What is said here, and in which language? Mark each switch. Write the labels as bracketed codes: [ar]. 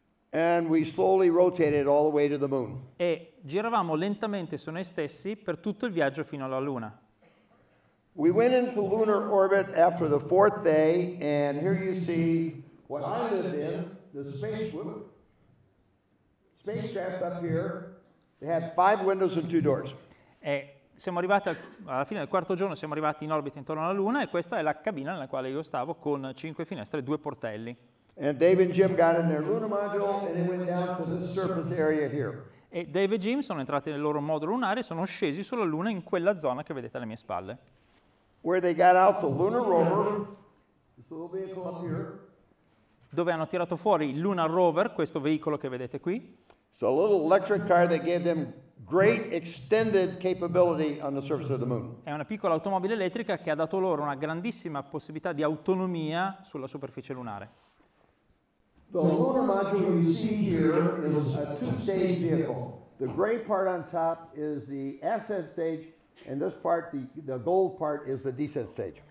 [en] And we slowly rotated all the way to the moon. [it] E giravamo lentamente su noi stessi per tutto il viaggio fino alla Luna. [en] We went into lunar orbit after the fourth day, and here you see what I lived in, the spacecraft up here. They had five windows and two doors. [it] E siamo arrivati alla fine del quarto giorno, siamo arrivati in orbita intorno alla Luna e questa è la cabina nella quale io stavo con cinque finestre e due portelli. [en] And Dave and Jim got in their lunar module and they went down to this surface area here. [it] E Dave e Jim sono entrati nel loro modulo lunare e sono scesi sulla Luna in quella zona che vedete alle mie spalle. [en] Where they got out the lunar rover, this little vehicle up here. [it] Dove hanno tirato fuori il lunar rover, questo veicolo che vedete qui. [en] So a little electric car that gave them great extended capability on the surface of the moon. [it] È una piccola automobile elettrica che ha dato loro una grandissima possibilità di autonomia sulla superficie lunare. [en] The lunar module you see here is a two-stage vehicle. The gray part on top is the ascent stage, and this part, the gold part, is the descent stage.